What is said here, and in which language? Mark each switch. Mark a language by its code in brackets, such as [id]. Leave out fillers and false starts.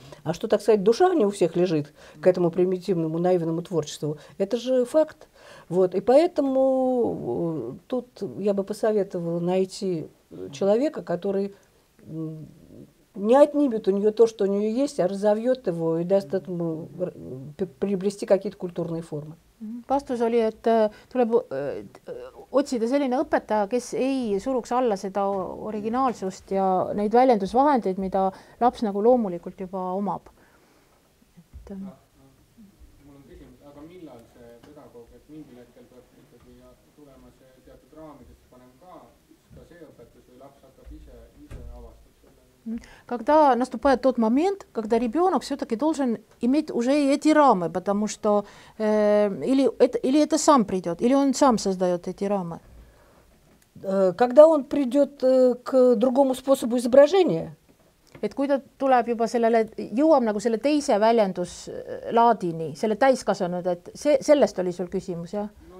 [ru] А что, так сказать, душа не у всех лежит к этому примитивному, наивному творчеству, это же факт. Вот. И поэтому тут я бы посоветовала найти человека, который не отнимет у нее то, что у нее есть, а разовьет его и даст этому приобрести какие-то культурные формы. [et] Vastus oli, et tuleb otsida selline õpetaja, kes ei suruks alla seda originaalsust ja neid väljendusvahendeid, mida laps nagu loomulikult juba omab. Et, mul on küsimus, aga millal see pedagoog, et mingil hetkel peab ikkagi tulema see teatud raamidest panem ka see õpetus või laps hakkab ise avastama? [ru] Когда наступает тот момент, когда ребенок все-таки должен иметь уже эти рамы, потому что или это сам придет, или он сам создает эти рамы. Когда он придет к другому способу изображения? [et] Et kui ta tuleb juba sellele, jõuab nagu selle teise väljendus laadini, selle täiskasvanud, et sellest oli sul küsimus, jah?